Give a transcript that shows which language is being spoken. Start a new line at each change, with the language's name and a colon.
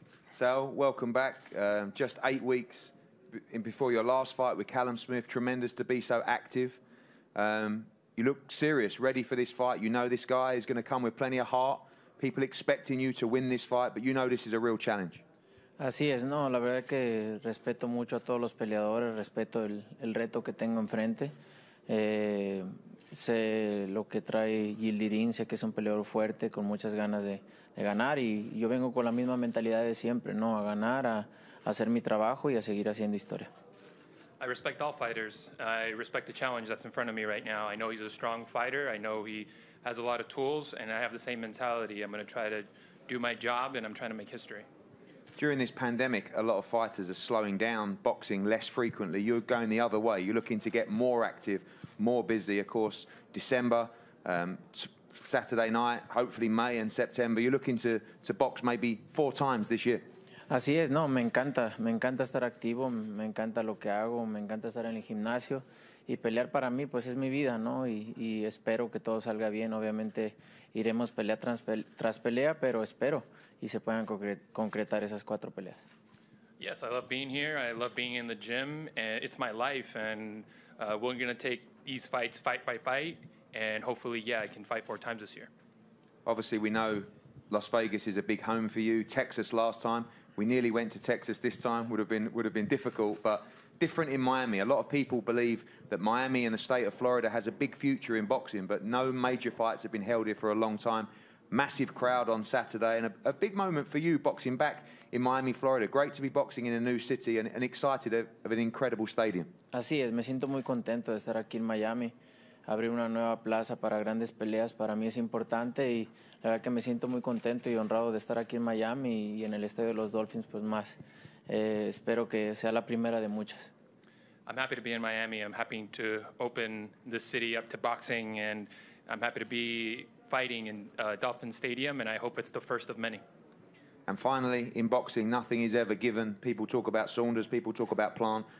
English: Sal, welcome back. Just 8 weeks before your last fight with Callum Smith. Tremendous to be so active. You look serious, ready for this fight. You know this guy is going to come with plenty of heart. People expecting you to win this fight, but you know this is a real challenge.
Spanish: Así es, no. La verdad que respeto mucho a todos los peleadores. Respeto el reto que tengo enfrente. Sé lo que trae Yildirim, sé que es un peleador fuerte, con muchas ganas de ganar. Y yo vengo con la misma mentalidad de siempre, ¿no? A ganar, a hacer mi trabajo y a seguir haciendo historia.
English: I respect all fighters. I respect the challenge that's in front of me right now. I know he's a strong fighter. I know he has a lot of tools, and I have the same mentality. I'm going to try to do my job, and I'm trying to make history. During this pandemic, a lot of fighters are slowing down, boxing less frequently. You're going the other way. You're looking to get more active, more busy. Of course, December, Saturday night, hopefully May and September. You're looking to box maybe 4 times this year.
Spanish: Así es, no, me encanta. Me encanta estar activo, me encanta lo que hago, me encanta estar en el gimnasio. Y pelear para mí, pues es mi vida, ¿no? Y espero que todo salga bien. Obviamente iremos pelea tras pelea, pero espero y se puedan concretar esas 4 peleas.
English: Yes, I love being here. I love being in the gym. It's my life, and we're going to take these fights fight by fight, and hopefully, yeah, I can fight 4 times this year. Obviously, we know Las Vegas is a big home for you. Texas last time. We nearly went to Texas this time. Would have been difficult, but different in Miami. A lot of people believe that Miami and the state of Florida has a big future in boxing, but no major fights have been held here for a long time. Massive crowd on Saturday, and a big moment for you boxing back in Miami, Florida. Great to be boxing in a new city and excited of an incredible stadium.
Spanish: Así es, me siento muy contento de estar aquí en Miami. Abrir una nueva plaza para grandes peleas para mí es importante, y la verdad que me siento muy contento y honrado de estar aquí en Miami y en el estadio de los Dolphins, pues más. Espero que sea la primera de muchas.
English: I'm happy to be in Miami. I'm happy to open the city up to boxing, and I'm happy to be fighting in Dolphin Stadium, and I hope it's the first of many. And finally, in boxing, nothing is ever given. People talk about Saunders, people talk about Plant.